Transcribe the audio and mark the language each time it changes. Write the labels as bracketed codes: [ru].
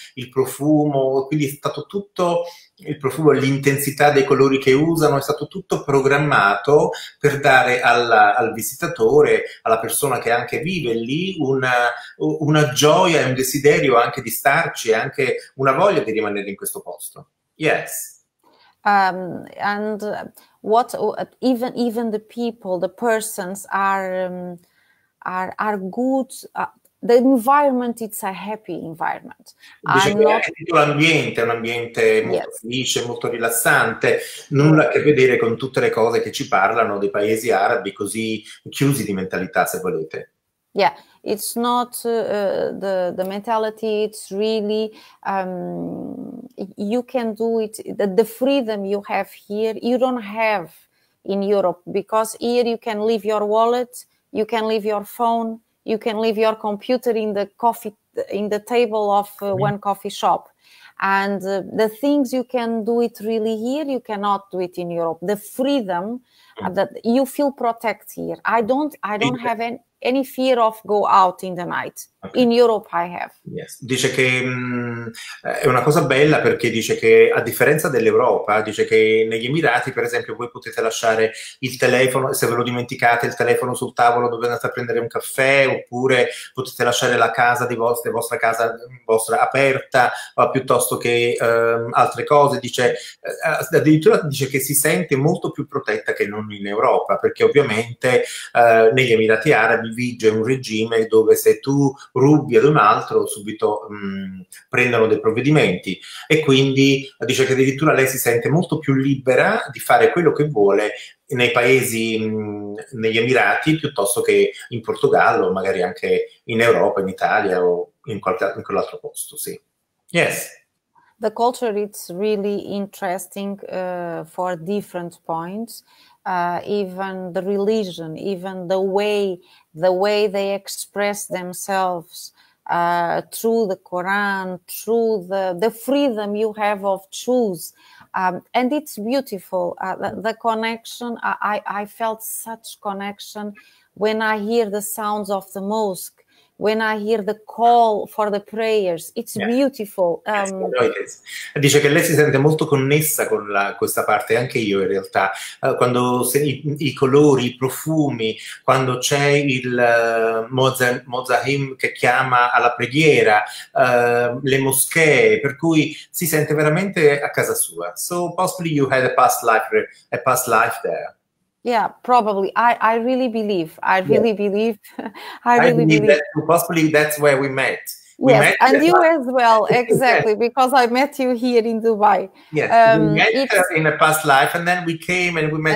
[it] Il profumo. Quindi è stato tutto il profumo, l'intensità dei colori che usano, è stato tutto programmato per dare al visitatore, alla persona che anche vive lì, una gioia e un desiderio anche di starci, anche una voglia di rimanere in questo posto. [en] Yes. And what even the people, the persons are good. The environment, it's a happy environment. [it] L'ambiente è un ambiente molto felice, molto rilassante, nulla a che vedere con tutte le cose che ci parlano dei paesi arabi così chiusi di mentalità, se volete. [en] Yeah, it's not the mentality, it's really, you can do it, the freedom you have here, you don't have in Europe, because here you can leave your wallet, you can leave your phone, you can leave your computer in the coffee, in the table of one coffee shop. And the things you can do it really here, you cannot do it in Europe. The freedom that you feel protected here. I don't have any fear of go out in the night. Okay. In Europe I have. Yes. [it] Dice che è una cosa bella perché dice che a differenza dell'Europa, dice che negli Emirati, per esempio, voi potete lasciare il telefono, se ve lo dimenticate, il telefono sul tavolo dove andate a prendere un caffè, oppure potete lasciare la casa di vostra casa vostra aperta, o piuttosto che altre cose. Dice addirittura dice che si sente molto più protetta che non in Europa, perché ovviamente negli Emirati Arabi vige un regime dove se tu rubi ad un altro subito prendono dei provvedimenti, e quindi dice che addirittura lei si sente molto più libera di fare quello che vuole nei paesi, negli Emirati, piuttosto che in Portogallo, magari anche in Europa, in Italia o in quell'altro posto. [en] Sì. Yes. The culture is really interesting for different points. Even the religion, even the way they express themselves through the Quran, through the freedom you have of choose. And it's beautiful, the connection. I felt such connection when I hear the sounds of the mosque, when I hear the call for the prayers, it's beautiful. Yes. [it] Dice che lei si sente molto connessa con questa parte, anche io in realtà. Quando i colori, i profumi, quando c'è il Mozahim che chiama alla preghiera, le moschee, per cui si sente veramente a casa sua. [en] So possibly you had a past life there. Yeah, probably. I really believe that possibly that's where we met. As well, exactly, yes. Because I met you here in Dubai. Yes, we met in a past life, and then we came and we met